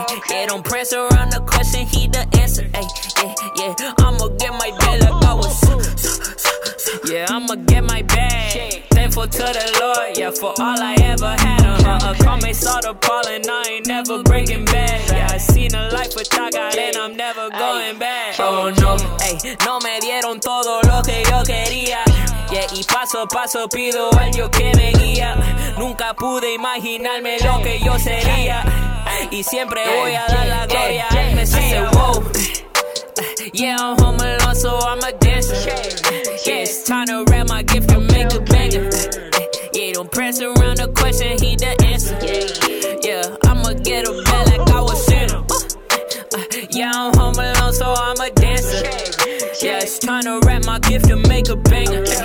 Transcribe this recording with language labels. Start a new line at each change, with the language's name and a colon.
English: Yeah, don't press around the question, he the answer. Yeah, I'ma get my bag like I was Santa. Yeah, I'ma get my bag. Thankful to the Lord, yeah, for all I ever had. Call me Saul the Paul and I ain't never breaking bad. Yeah, I seen a life with God and I'm never going back.
Spanish: Oh no, ay, no me dieron todo lo que yo quería. Yeah, y paso a paso pido a Dios que me guía. Nunca pude imaginarme lo que yo sería. Y siempre voy a dar la gloria al Mesías. Wow.
English: Yeah, I'm home alone, so I'm a dancer. Yeah, it's time to wrap my gift and make a banger. Yeah, don't press around the question, he the answer. Yeah, I'ma get a bag like I was Santa. Yeah, I'm home alone, so I'm a dancer. Yeah, it's time to wrap my gift to make a banger.